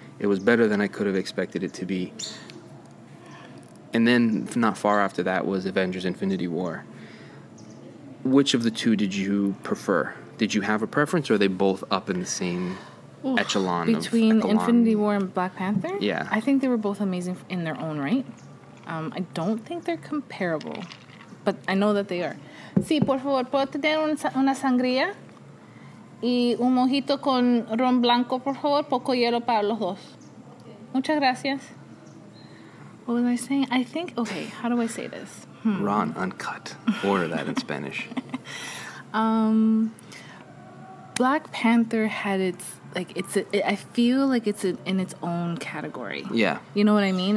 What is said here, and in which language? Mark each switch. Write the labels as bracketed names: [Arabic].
[English] It was better than I could have expected it to be. And then, not far after that, was Avengers Infinity War. Which of the two did you prefer? Did you have a preference, or are they both up in the same echelon? Between Infinity War and Black Panther? Yeah. I think they were both amazing in their own right. I don't think they're comparable. but I know that they are. [Spanish] Sí, por favor, ¿puedo tener una sangría? Y un mojito con ron blanco, por favor, poco hielo para los dos. Muchas gracias. [English] What was I saying? I think, okay, how do I say this? Ron uncut. Order that in Spanish. Black Panther had its, like, it's, I feel like it's in its own category. Yeah. You know what I mean?